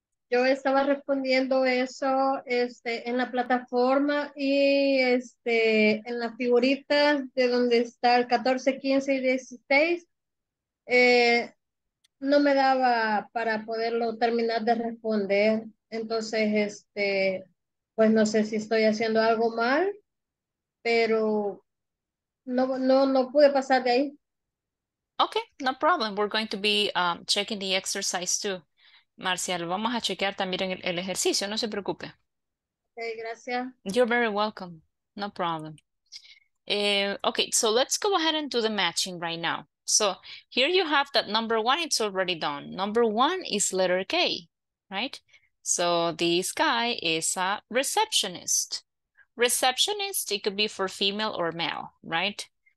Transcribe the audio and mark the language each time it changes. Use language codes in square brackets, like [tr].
[es] Yo estaba respondiendo eso en la plataforma y en la figurita de donde está el 14, 15 y 16. no me daba para poderlo terminar de responder. Entonces, pues no sé si estoy haciendo algo mal, pero no pude pasar de ahí. [en] Okay, no problem. We're going to be checking the exercise too. [es] Marcia, lo vamos a chequear también en el ejercicio, no se preocupe. Okay, gracias. [en] You're very welcome. No problem. Okay, so let's go ahead and do the matching right now. So here you have that number one, it's already done. Number one is letter K, right? So this guy is a receptionist. Receptionist, it could be for female or male, right?